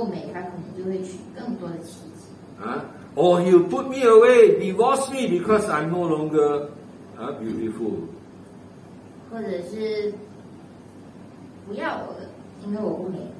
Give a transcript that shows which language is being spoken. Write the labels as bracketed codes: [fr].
[zh] 所以当时的妻子可能就会害怕，如果我不够美，她可能就会娶更多的妻子。 [en] Or he'll put me away, divorce me because I'm no longer beautiful. [zh] 或者是不要我了，因为我不美。